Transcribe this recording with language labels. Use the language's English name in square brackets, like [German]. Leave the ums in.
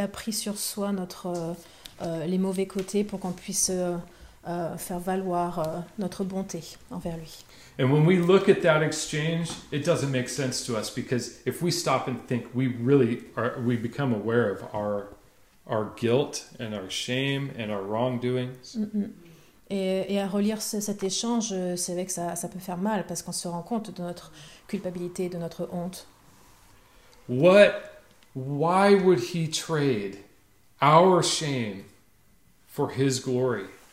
[French] a pris sur soi notre euh, les mauvais côtés pour qu'on puisse euh, Uh, faire valoir uh, notre bonté envers lui. [English] And when we look at that exchange, it doesn't make sense to us because if we stop and think, we really are, we become aware of our, our guilt and our shame and our wrongdoings. Mm -hmm. [French] Et, et à relire ce, cet échange, c'est vrai que ça, ça peut faire mal parce qu'on se rend compte de notre culpabilité, de notre honte. [English] What, why would he trade our shame for his glory?